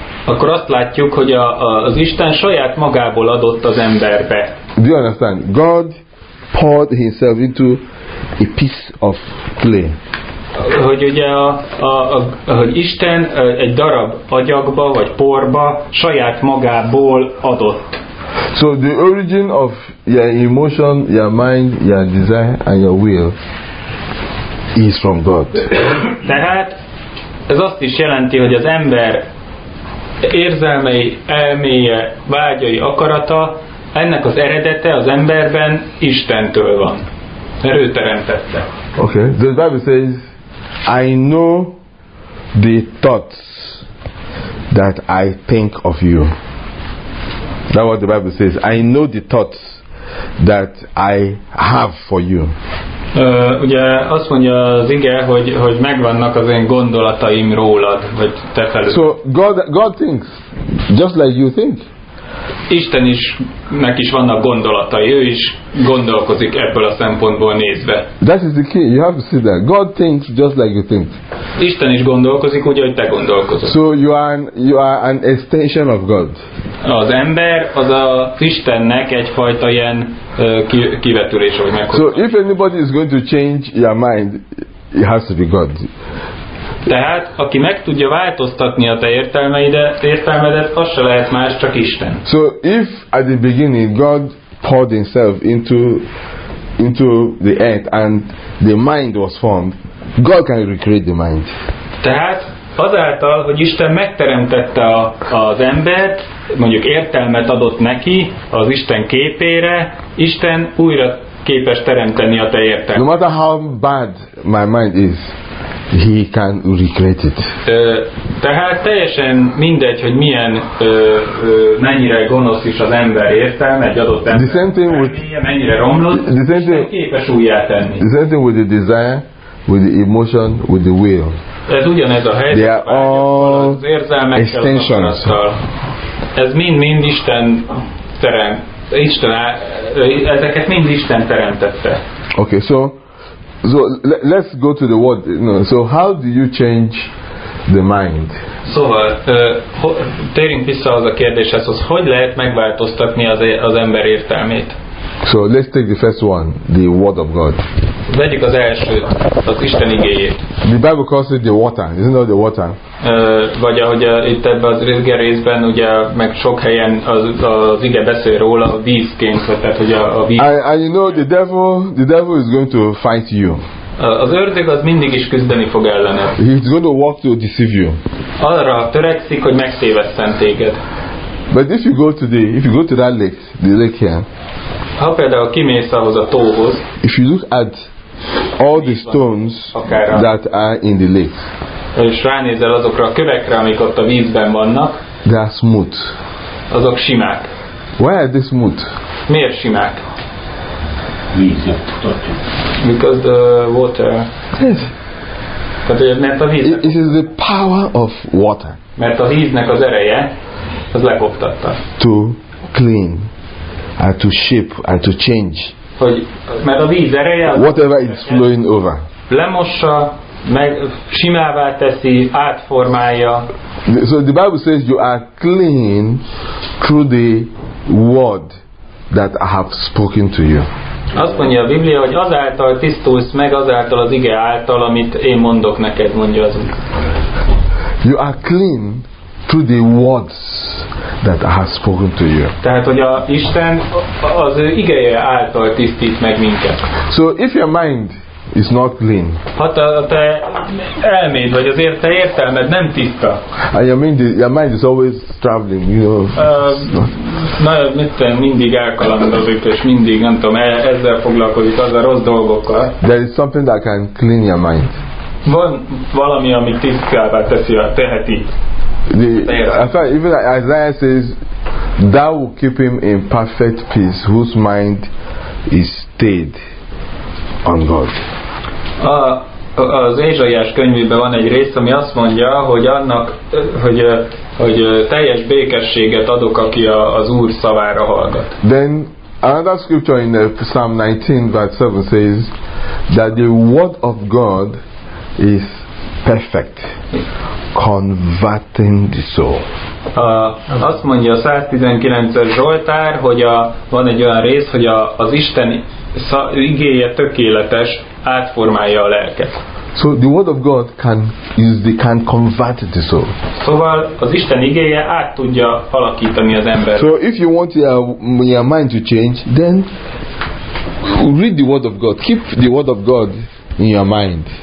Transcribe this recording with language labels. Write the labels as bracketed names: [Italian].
[Hungarian] Akkor azt látjuk, hogy az Isten saját magából adott az emberbe. [English] Do you understand? God poured himself into a piece of clay. [Hungarian] Hogy ugye hogy Isten egy darab agyagba vagy porba saját magából adott. [English] So the origin of your emotion, your mind, your desire and your will is from God. [Hungarian] Tehát ez azt is jelenti, hogy az ember érzelmei, elméje, vágyai, akarata, ennek az eredete az emberben Istentől van. Mert ő teremtette. [English] Okay. The Bible says I know the thoughts that I think of you. That's what the Bible says. I know the thoughts that I have for you. [Hungarian] Ugye azt mondja az ige, hogy megvannak az én gondolataim rólad, vagy te felül. [English] So God thinks, just like you think. [Hungarian] Isten is, neki is vannak gondolatai, ő is gondolkozik ebből a szempontból nézve. [English] That is the key, you have to see that. God thinks just like you think. [Hungarian] Isten is gondolkozik úgy, ahogy te gondolkozol. [English] So you are an extension of God. [Hungarian] Az ember az a Istennek egyfajta ilyen kivetülés, ahogy meghozik. [English] So if anybody is going to change your mind, it has to be God. [Hungarian] Tehát, aki meg tudja változtatni a te értelmedet, az se lehet más, csak Isten. [English] So, if at the beginning God poured himself into the earth and the mind was formed, God can recreate the mind. [Hungarian] Tehát, azáltal, hogy Isten megteremtette az embert, mondjuk értelmet adott neki az Isten képére, Isten újra képes teremteni a te értelmet. [English] No matter how bad my mind is, he can recreate it. [Hungarian] Tehát teljesen mindegy, hogy milyen mennyire gonosz is az ember értelme, egy adott ember. [English] The same thing with [Hungarian] mennyire romlott, Isten képes újjátenni. [English] The same thing with the desire, with the emotion, with the will. [Hungarian] Ez ugyanez a helyzet. [English] They are all [Hungarian] az érzelmekkel, [English] extensions. [Hungarian] Ez mind Isten teremt. Isten, ezeket mind Isten teremtette. [English] Okay, so let's go to the word. No, so how do you change the mind? [Hungarian] Szóval, térjünk vissza az a kérdéshez, hogy hogy lehet megváltoztatni az ember értelmét? [English] So let's take the first one, the word of God. [Hungarian] Vegyük az elsőt, az Isten igéjét. [English] The Bible calls it the water, isn't that the water? [Hungarian] Vagy ahogy itt ebben az részben, ugye meg sok helyen az ige beszél róla, a vízként, tehát hogy a víz. [English] And you know the devil is going to fight you. [Hungarian] Az ördög az mindig is küzdeni fog ellene. [English] He's going to work to deceive you. [Hungarian] Arra törekszik, hogy megtévesszen téged. [English] But if you go to the, if you go to that lake, the lake here. [Hungarian] Ha például kimész ahhoz a tóhoz. [English] If you look at all the stones that are in the lake. [Hungarian] És ránézel azokra a kövekre, amik ott a vízben vannak. [English] They are smooth. [Hungarian] Azok simák. [English] Why are they smooth? [Hungarian] Miért simák? [English] Because the water. Yes. [Hungarian] Tehát, [English] it is the power of water. [Hungarian] Mert a víznek az ereje, az lekoptatta. [English] To clean, and to shape, and to change. [Hungarian] Hogy, mert a víz ereje. [English] Whatever is flowing over. [Hungarian] Lemossa, meg simává teszi, átformálja. [English] So the Bible says you are clean through the word that I have spoken to you. [Hungarian] Azt mondja a Biblia, hogy azáltal tisztulsz meg, azáltal az ige által, amit én mondok neked, mondja az Úr. [English] You are clean through the words that I have spoken to you. [Hungarian] Tehát, hogy a Isten az igéje által tisztít meg minket. [English] So if your mind is not clean. [Hungarian] Hát a te elméd, vagy az érte értelmed nem tiszta. [English] And your mind is always traveling, you know. [Hungarian] Mindig elkalandozik, és mindig, nem tudom, ezzel foglalkozik, azzal rossz dolgokkal. [English] There is something that can clean your mind. [Hungarian] Van valami, ami tisztává teszi, teheti. [English] Even like Isaiah says, thou will keep him in perfect peace, whose mind is stayed on God. [Hungarian] Az Ézsaiás könyvében van egy rész, ami azt mondja, hogy annak, hogy teljes békességet adok, aki az Úr szavára hallgat. [English] Then another scripture in Psalm 19 verse 7 says that the word of God is perfect, converting the soul. [Hungarian] Azt mondja a 119-es Zsoltár, hogy van egy olyan rész, hogy az Isten igéje tökéletes, átformálja a lelket. [English] So the word of God can is the can convert the soul. [Hungarian] Szóval az Isten igéje át tudja alakítani az embert. [English] So if you want your mind to change, then read the word of God. Keep the word of God in your mind.